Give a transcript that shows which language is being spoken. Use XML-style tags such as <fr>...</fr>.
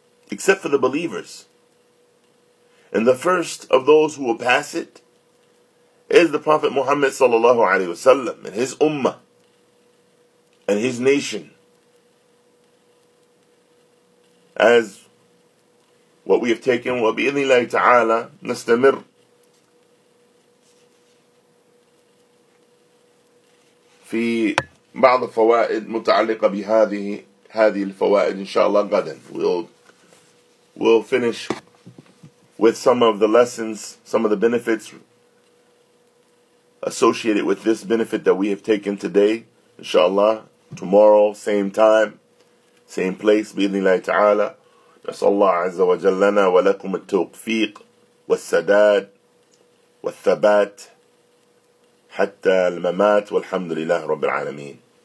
<en>Except for the believers. And the first of those who will pass it is the Prophet Muhammad sallallahu alaihi wasallam and his ummah and his nation. As what we have taken,</en> <ar>وَبِإِذْنِ اللَّهِ تَعَالَى نَسْتَمِرْ. في بعض الفوائد متعلقة بهذه الفوائد إن شاء الله غدا.</ar> <en>We'll finish with some of the lessons, some of the benefits associated with this benefit that we have taken today, إن شاء الله. Tomorrow, same time, same place,</en> <ar>بإذن الله تعالى. نسأل الله عز وجل لنا ولكم التوفيق والسداد والثبات حتى الممات والحمد لله رب العالمين.</ar>